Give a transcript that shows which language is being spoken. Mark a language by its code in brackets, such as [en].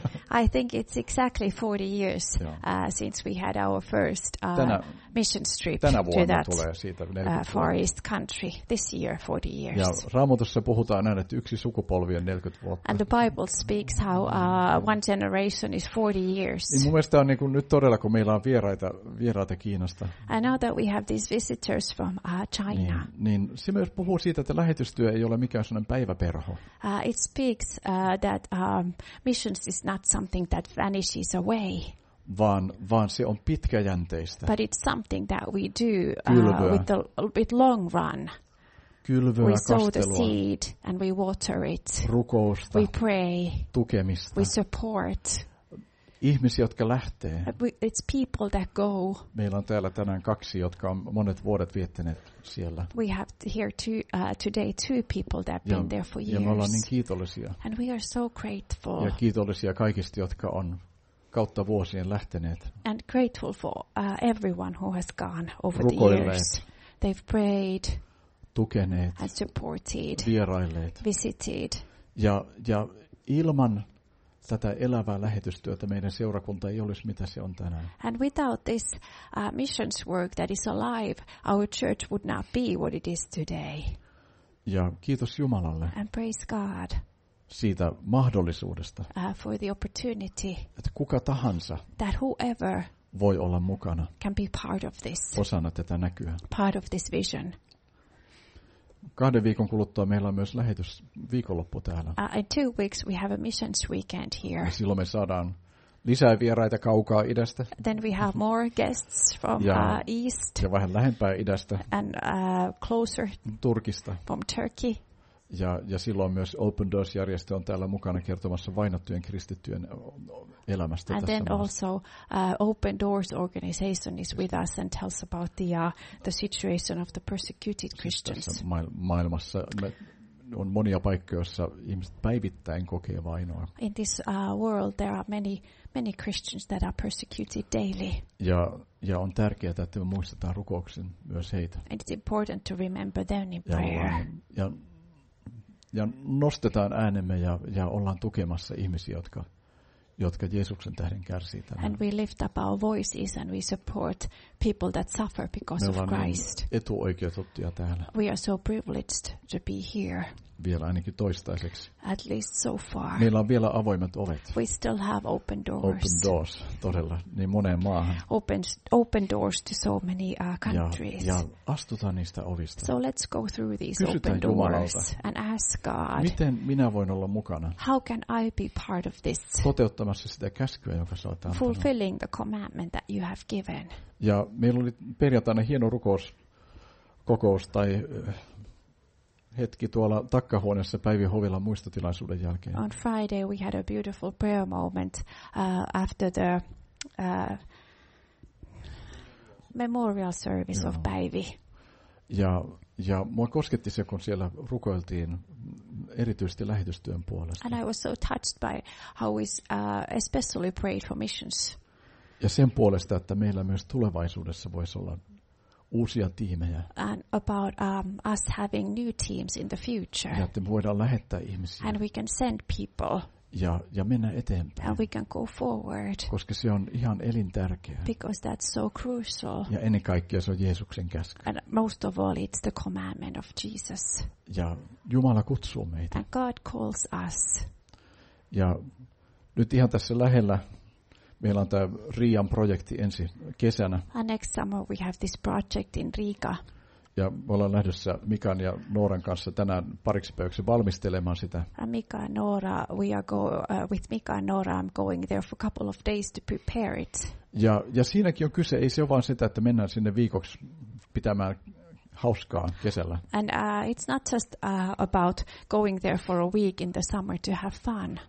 [en] I think it's exactly 40 years since we had our first mission trip to that Far East country. This year, 40 years. [fi] Ja Raamatussa puhutaan näin, että yksi sukupolvi on 40 vuotta. [en] And the Bible speaks how one generation is 40 years. [fi] Niin mun mielestä on niin kuin nyt todella, kun meillä on vieraita Kiinasta. [en] And now that we have these visitors from China. [fi] Niin se myös puhuu siitä, että lähetystyö ei ole mikään sellainen päiväperho. [en] It speaks that missions is not something that vanishes away. [fi] Vaan se on pitkäjänteistä. [en] But it's something that we do with long run. [fi] Kylvöä, [en] we [fi] kastelua, [en] sow the seed and we water it. [fi] Rukousta, [en] we pray. [fi] Tukemista. [en] We support. [fi] Ihmisiä, jotka lähtee. [en] It's people that go. [fi] Meillä on täällä tänään kaksi, jotka on monet vuodet viettäneet siellä. [en] We have here today two people that have been there for years. [fi] Ja me ollaan niin kiitollisia. [en] And we are so grateful. [fi] Ja kiitollisia kaikista, jotka on kautta vuosien lähteneet. [en] And grateful for everyone who has gone over the years. They've prayed. [fi] Tukeneet. [en] And supported. [fi] Vierailleet. [en] Visited. [fi] Ja ilman tätä elävää lähetystyötä meidän seurakunta ei olisi mitä se on tänään. [en] And without this missions work that is alive, our church would not be what it is today. [fi] Ja kiitos Jumalalle. [en] And praise God. [fi] Siitä mahdollisuudesta. [en] For the opportunity. [fi] Että kuka tahansa. [en] That whoever [fi] voi olla mukana. [en] Can be part of this. [fi] Osana tätä näkyä. [en] Part of this vision. [fi] Kahden viikon kuluttua meillä on myös lähetys viikonloppu täällä. [en] In 2 weeks we have a missions weekend here. [fi] Ja silloin me saadaan lisää vieraita kaukaa idästä. [en] Then we have more guests from east. [fi] Ja vähän lähempää idästä. [en] And closer. [fi] Turkista. [en] From Turkey. [fi] Ja silloin myös Open Doors-järjestö on täällä mukana kertomassa vainottujen kristittyjen elämästä [en] and [fi] tässä maassa. [en] Also Open Doors organization is with us and tells about the situation of the persecuted Christians. [fi] Maailmassa on monia paikkoja, joissa ihmiset päivittäin kokee vainoa. [en] In this world there are many Christians that are persecuted daily. [fi] Ja on tärkeää, että me muistetaan rukouksen myös heitä. [en] And it's important to remember them in prayer. [fi] Ja nostetaan äänemme ja ollaan tukemassa ihmisiä, jotka Jeesuksen tähden kärsii tänään. [en] And we lift up our voices and we support people that suffer because of Christ. [fi] Etuoikeutettuja täällä. [en] We are so privileged to be here. [fi] Vielä ainakin toistaiseksi. [en] At least so far. [fi] Meillä on vielä avoimet ovet. [en] We still have open doors. [fi] Open doors, todella, niin moneen maahan. [en] Open doors to so many countries. [fi] Ja astutaan niistä ovista. [en] So let's go through these [fi] kysytään [en] open doors [fi] Jumalalta, [en] and ask God. [fi] Miten minä voin olla mukana? [en] How can I be part of this? [fi] Toteuttamassa sitä käskyä, jonka sä oot antanut. [en] Fulfilling the commandment that you have given. [fi] Ja meillä oli perjantaina hieno rukous kokous tai hetki tuolla takkahuoneessa Päivi Hovilan muistotilaisuuden jälkeen. [en] On Friday we had a beautiful prayer moment after the memorial service of Päivi. [fi] Ja mua kosketti se, kun siellä rukoiltiin erityisesti lähetystyön puolesta. [en] And I was so touched by how we especially prayed for missions. [fi] Ja sen puolesta, että meillä myös tulevaisuudessa voisi olla uusia tiimejä. [en] And about us having new teams in the future. [fi] Ja että me voidaan lähettää ihmisiä. [en] And we can send people. [fi] Ja mennä eteenpäin. [en] And we can go forward. [fi] Koska se on ihan elintärkeää. [en] Because that's so crucial. [fi] Ja ennen kaikkea se on Jeesuksen käsky. [en] And most of all it's the commandment of Jesus. [fi] Ja Jumala kutsuu meitä. [en] And God calls us. [fi] Ja nyt ihan tässä lähellä meillä on tämä Riian projekti ensi kesänä. [en] And next summer we have this project in Riga. [fi] Ja me ollaan lähdössä Mikan ja Nooran kanssa tänään pariksi päiväksi valmistelemaan sitä. [en] And Mika and Noora, we are with Mika and Noora, I'm going there for a couple of days to prepare it. [fi] Ja siinäkin on kyse, ei se ole vaan sitä, että mennään sinne viikoksi pitämään hauskaa kesällä. [en] And it's not just about going there for a week in the summer to have fun.